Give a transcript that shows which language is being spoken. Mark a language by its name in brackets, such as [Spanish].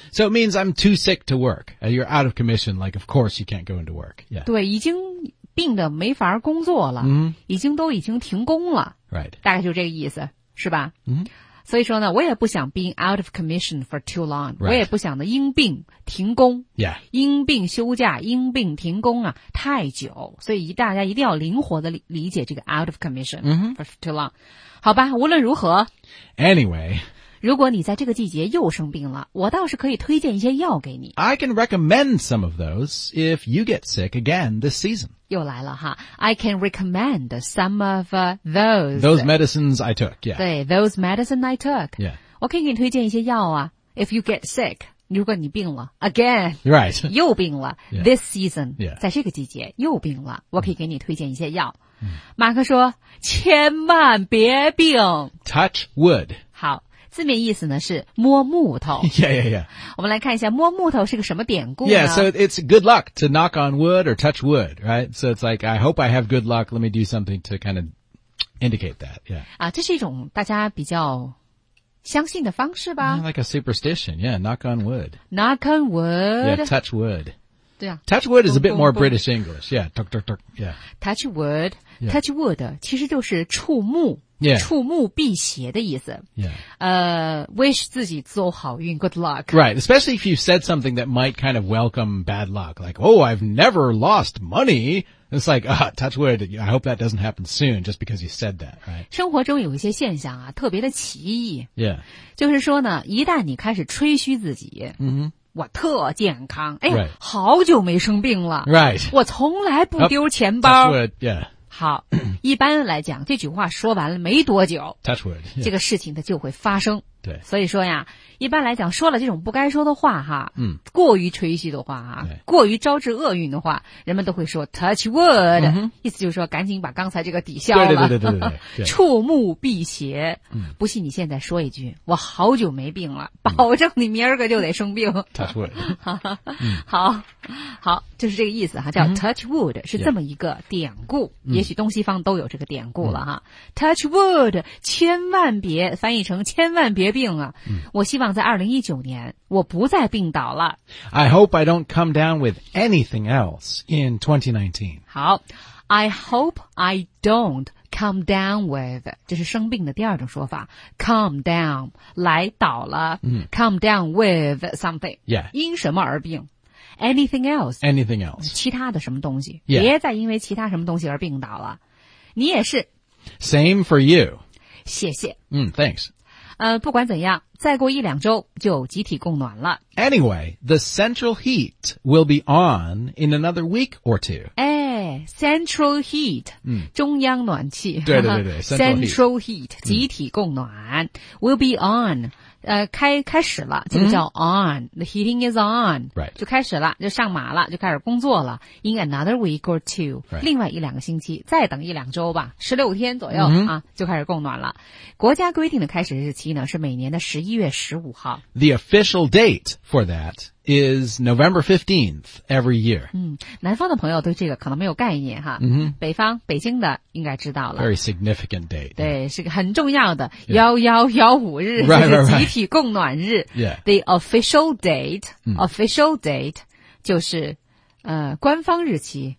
[English] So it means I'm too sick to work. You're out of commission. Like, of course you can't go into work. Yeah. [Chinese] 对已经病得没法工作了、 mm-hmm. 已经停工了、 [English] right. [Chinese] 大概就这个意思是吧、 mm-hmm. 所以说呢我也不想 [English] being out of commission for too long、 right. [Chinese] 我也不想呢因病停工、 [English] yeah. [Chinese] 因病休假因病停工啊太久所以大家一定要灵活的理解这个 [English] out of commission、 mm-hmm. for too long [Chinese] 好吧无论如何 [English] Anyway [Chinese] 如果你在这个季节又生病了我倒是可以推荐一些药给你 [English] I can recommend some of those if you get sick again this season [Chinese] 又来了哈 [English] I can recommend some of those. Those medicines I took, yeah. 对 those medicines I took. Yeah. 我可以给你推荐一些药啊 If you get sick, 如果你病了 again. Right. [Chinese] 又病了 [English] yeah. This season. Yeah. [Chinese] 在这个季节又病了我可以给你推荐一些药、嗯、马克说千万别病 [English] Touch wood. [Chinese] 好字面意思呢是摸木头。 [English] Yeah, yeah, yeah. [Chinese] 我们来看一下摸木头是个什么典故呢 [English] Yeah, so it's good luck to knock on wood or touch wood, right? So it's like, I hope I have good luck. Let me do something to kind of indicate that. Yeah. [Chinese] 这是一种大家比较相信的方式吧。 [English] Like a superstition. Yeah, knock on wood. Knock on wood. Yeah, touch wood. [Chinese] 对啊。 [English] Touch wood is a bit more British English. Yeah, tuk, tuk, tuk. Yeah. Touch wood. Touch wood [Chinese] 其实就是触木。 [English] Yeah. [Chinese] 触目辟邪的意思 [English] yeah. [Chinese] Wish 自己走好运 [English] Good luck Right, especially if you said something that might kind of welcome bad luck Like, oh, I've never lost money It's like, touch wood I hope that doesn't happen soon Just because you said that、right? [Chinese] 生活中有一些现象啊特别的奇异 [English] Yeah [Chinese] 就是说呢一旦你开始吹嘘自己、 mm-hmm. 我特健康哎、 [English] right. [Chinese] 好久没生病了 [English] Right [Chinese] 我从来不丢钱包 [English] Touch wood, yeah [Chinese] 好一般来讲这句话说完了没多久 [English] Touch wood,、yeah. [Chinese] 这个事情它就会发生。对，所以说呀，一般来讲，说了这种不该说的话哈，嗯，过于吹嘘的话哈，过于招致厄运的话，人们都会说 touch wood，嗯，意思就是说赶紧把刚才这个抵消了，对，触目辟邪，嗯，不信你现在说一句，我好久没病了，保证你明儿个就得生病 [English] ，touch wood， [Chinese] 好，就是这个意思哈，叫 touch wood，嗯，是这么一个典故，嗯，也许东西方都有这个典故了哈，嗯，touch wood， 千万别翻译成千万别病啊，嗯，我希望在2019年我不再病倒了。 [English] I hope I don't come down with anything else in 2019. [Chinese] 好， [English] I hope I don't come down with， [Chinese] 这是生病的第二种说法， come down， 来倒了，嗯， [English] come down with something， yeah. [Chinese] 因什么而病， [English] anything else， anything else， [Chinese] 其他的什么东西， [English] yeah. [Chinese] 别再因为其他什么东西而病倒了。你也是， [English] same for you， [Chinese] 谢谢， [English] 嗯，thanks。 [Chinese] 不管怎样，再过一两周就集体供暖了。 [English] Anyway, the central heat will be on in another week or two. 哎 ,central heat, 嗯， [Chinese] 中央暖气。对 ,central heat, 集体供暖，嗯， [English] will be on, [Chinese] 开始了，这个叫 on, 嗯， [English] the heating is on, right. [Chinese] 就开始了，就上马了，就开始工作了 , [English] in another week or two, right. [Chinese] 另外一两个星期，再等一两周吧 ,16 天左右，嗯，啊，就开始供暖了。国家规定的开始日期呢，是每年的11月15号。 [English] The official date for that is November 15th every year. [Chinese] 嗯，南方的朋友对这个可能没有概念哈。嗯哼，北方，北京的应该知道了。 [English] Very significant date. [Chinese] 对，是个很重要的1115日， [English] right. [Chinese] 集体供暖日。 [English] Yeah. The official date,嗯，official date [Chinese] 就是官方日期